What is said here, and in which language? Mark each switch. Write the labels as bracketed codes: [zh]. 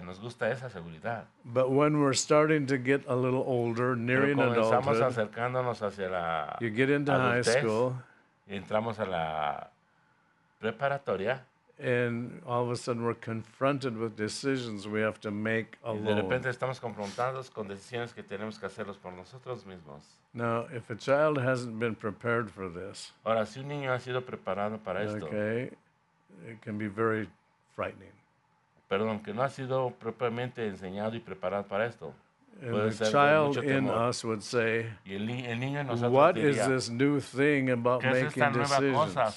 [es] Nos gusta esa seguridad. [en] But when we're starting to get a little older, nearing adulthood, [es] acercándonos hacia la [en] you get into [es] adultez, [en] high school, [es] entramos a la preparatoria. [en] And all of a sudden we're confronted with decisions we have to make alone. [es] Y de repente estamos confrontados con decisiones que tenemos que hacerlos por nosotros mismos. [en] Now, if a child hasn't been prepared for this, [es] ahora, si un niño ha sido preparado para esto, [en] okay, it can be very frightening. [es] Perdón, que no ha sido propiamente enseñado y preparado para esto. [en] And the child in us would say, what is this new thing about making decisions?